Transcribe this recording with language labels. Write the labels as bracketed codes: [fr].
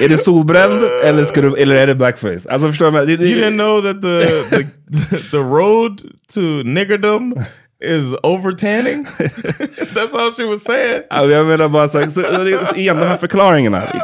[sv] Är det solbränd eller, ska du, eller är det blackface? Alltså förstår jag, [en] you didn't know that the road to niggerdom is over tanning? That's all she was saying. [sv] Jag menar bara så, igen, de här förklaringarna.